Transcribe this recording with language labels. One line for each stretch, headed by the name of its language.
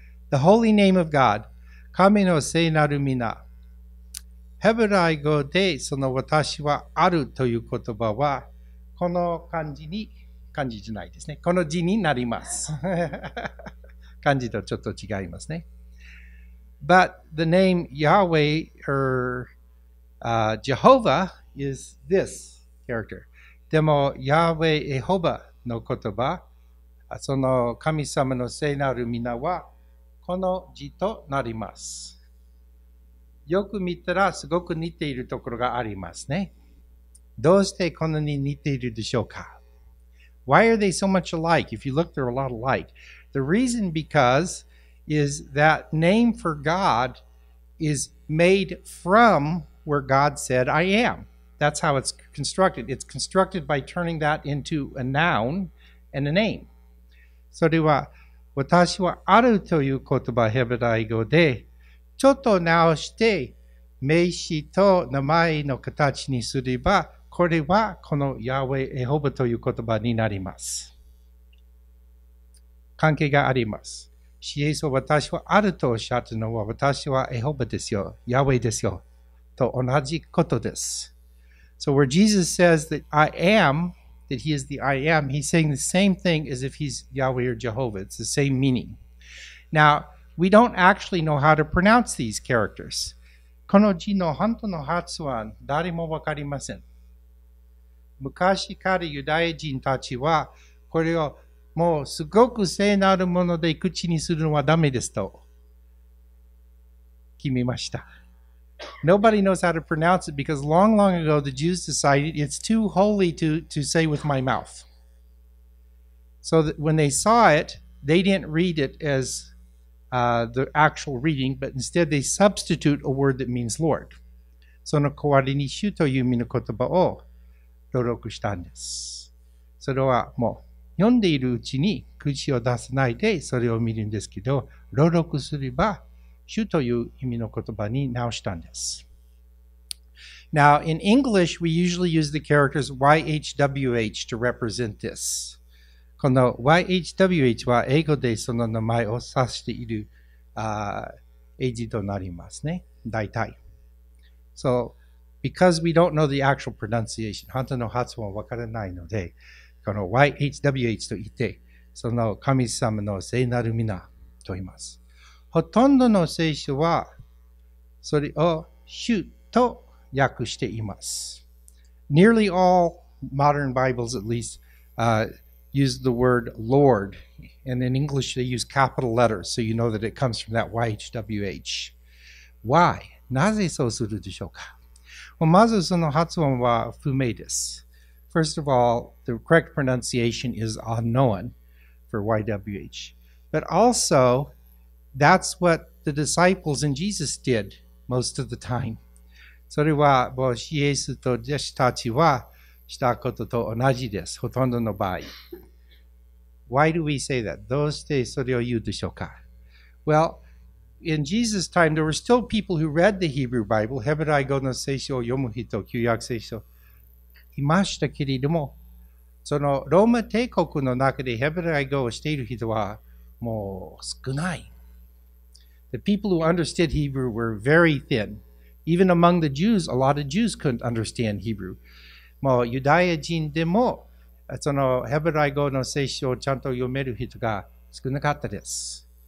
English: The holy name of God,
Japanese: 神の聖なる皆。ヘブライ語でその私はあるという言葉は、この漢字に、漢字じゃないですね。この字になります。漢字とちょっと違いますね。
English: But the name Yahweh, Jehovah is this character.
Japanese: でも、ヤウェイ・エホバの言葉、その神様の聖なる皆は、この字となります。よく見たら、すごく似ているところがありますね。どうしてこんなに似ているでしょうか？
English: Why are they so much alike? If you look, they're a lot alike. The reason because is that name for God is made from where God said, I am. That's how it's constructed. It's constructed by turning that into a noun and a name.
Japanese: それは、私はあるという言葉、ヘブライ語で、ちょっと直して、名詞と名前の形にすれば、これはこのヤウェイ・エホバという言葉になります。関係があります。シエソ、私はあるとおっしゃったのは、私はエホバですよ。ヤウェイですよ。と同じことです。
English: So where Jesus says that I am, that he is the I am, he's saying the same thing as if he's Yahweh or Jehovah. It's the same meaning. Now, we don't actually know how to pronounce these characters.
Japanese: この字の本当の発音、誰もわかりません。昔からユダヤ人たちは、これをもうすごく聖なるもので口にするのはダメですと決めました。
English: Nobody knows how to pronounce it because long, long ago the Jews decided it's too holy to say with my mouth. So that when they saw it, they didn't read it as the actual reading, but instead they substitute a word that means Lord.
Japanese: その代わりに主という意味の言葉を登録したんです。それはもう読んでいるうちに口を出さないでそれを見るんですけど、登録すれば主という意味の言葉に直したんです。
English: Now, in English, we usually use the characters YHWH to represent this.
Japanese: この YHWH は英語でその名前を指している英字となりますね。大体。
English: So, because we don't know the actual pronunciation,
Japanese: 本当の発音はわからないので、この YHWH と言って、その神様の聖なる皆と言います。ほとんどの聖書はそれを主と訳しています。
English: Nearly all modern Bibles, at least, use the word Lord. And in English, they use capital letters, so you know that it comes from that YHWH. Why?
Japanese: なぜそうするでしょうか？ Well, まずその発音は不明です。
English: First of all, the correct pronunciation is unknown for YWH. But also,That's what the disciples and Jesus did most of the time.
Japanese: それは、もう、イエスと弟子たちはしたことと同じです。ほとんどの場合。
English: Why do we say that?
Japanese: どうしてそれを言うでしょうか?
English: Well, in Jesus' time, there were still people who read the Hebrew Bible,
Japanese: ヘブライ語の聖書を読む人、旧約聖書いましたけれども、そのローマ帝国の中でヘブライ語をしている人はもう少ない。
English: The people who understood Hebrew were very thin. Even among the Jews, a lot of Jews couldn't understand Hebrew.
Japanese: もうユダヤ人でもそのヘブライ語の聖書をちゃんと読める人が少なかったです。